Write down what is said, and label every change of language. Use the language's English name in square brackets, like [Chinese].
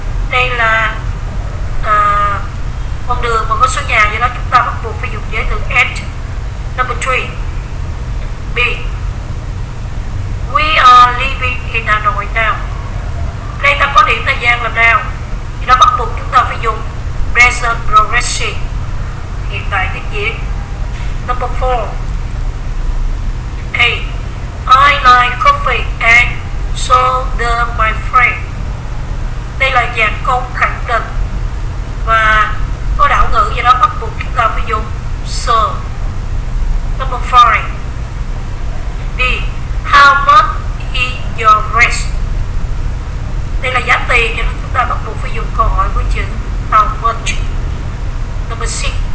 [Vietnamese] Đây là con đường mà có số nhà, do đó chúng ta bắt buộc phải dùng giấy từ H. [English] Number 3. B. We are living in Hà Nội now. [Vietnamese] Đây ta có điểm thời gian là now, do đó bắt buộc chúng ta phải dùng present progressive, hiện tại tiếp diễn. [English] Number 4. A. I like coffee and so do my friend. [Vietnamese] Đây là dạng câu khẳng định và có đảo ngữ, do đó bắt buộc chúng ta phải dùng so. [English] Number 5. B. How much is your rent? [Vietnamese] Đây là giá tiền, do đó chúng ta bắt buộc phải dùng câu hỏi với chữ how much. [English] Number 6.